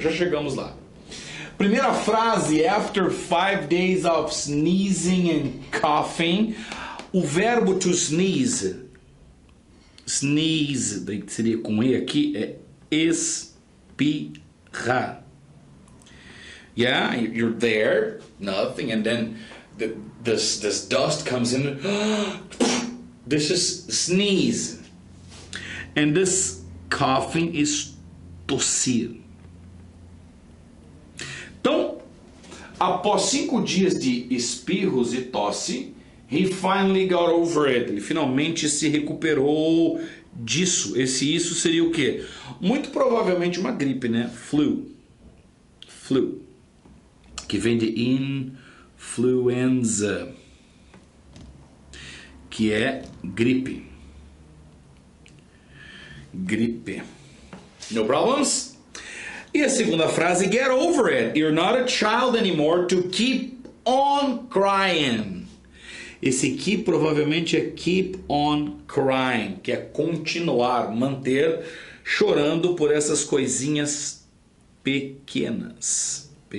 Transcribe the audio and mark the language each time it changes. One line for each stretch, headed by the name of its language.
Portuguese: Já chegamos lá. Primeira frase,
English: after 5 days of sneezing and coughing,
Portuguese: o verbo to sneeze... Sneeze, daí seria com E aqui, é espirrar.
English: Yeah, you're there, nothing, and then this dust comes in. This is sneeze. And this coughing is tossir.
Portuguese: Então, após 5 dias de espirros e tosse,
English: he finally got over it.
Portuguese: Ele finalmente se recuperou disso. Esse isso seria o quê? Muito provavelmente uma gripe, né? Flu. Flu. Que vem de influenza. Que é gripe. Gripe.
English: No problems?
Portuguese: E a segunda frase, get over it.
English: You're not a child anymore to keep on crying.
Portuguese: Esse aqui provavelmente é keep on crying, que é continuar, manter chorando por essas coisinhas pequenas.